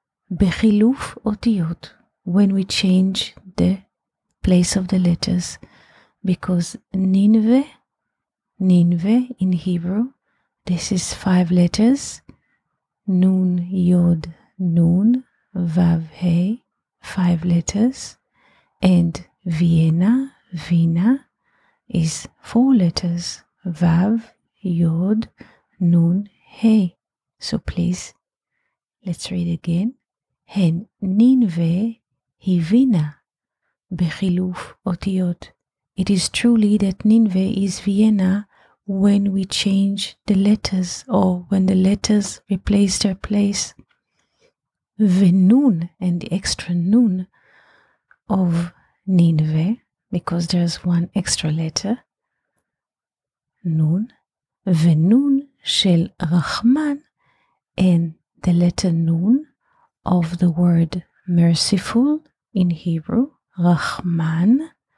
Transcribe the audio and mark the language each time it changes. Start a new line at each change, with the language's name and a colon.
Hebrew: Bechiluf otiot,
English: when we change the place of the letters, because Nineveh in Hebrew, this is five letters, Nun, Yod, Nun, Vav, He, five letters, and Vienna, Vina, is four letters, Vav, Yod, Nun, He. So please, let's read again.
Hebrew: הן נינווה הבינה בחילוף אותיות.
English: It is truly that Nineveh is Vienna when we change the letters, or when the letters replace their place.
Hebrew: ונון,
English: and the extra נון of Nineveh, because there's one extra letter, נון,
Hebrew: ונון של רחמן,
English: and the letter נון, of the word merciful in Hebrew, Rahman.